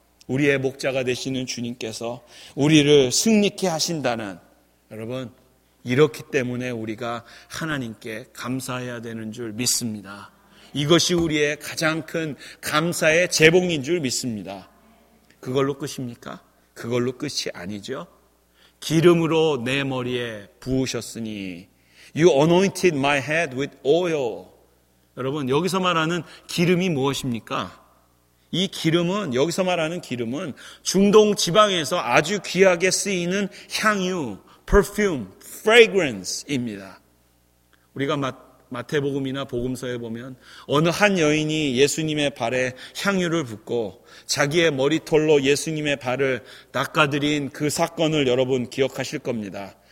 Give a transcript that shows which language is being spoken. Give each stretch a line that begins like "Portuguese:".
Korean: 우리의 목자가 되시는 주님께서 우리를 승리케 하신다는, 여러분, 이렇기 때문에 우리가 하나님께 감사해야 되는 줄 믿습니다. 이것이 우리의 가장 큰 감사의 제목인 줄 믿습니다. 그걸로 끝입니까? 그걸로 끝이 아니죠. 기름으로 내 머리에 부으셨으니,
English: You anointed my head with oil.
Korean: 여러분, 여기서 말하는 기름이 무엇입니까? 이 기름은, 여기서 말하는 기름은 중동 지방에서 아주 귀하게 쓰이는 향유,
English: perfume, fragrance
Korean: 입니다. 우리가 마태복음이나 복음서에 보면 어느 한 여인이 예수님의 발에 향유를 붓고 자기의 머리털로 예수님의 발을 닦아드린 그 사건을 여러분 기억하실 겁니다.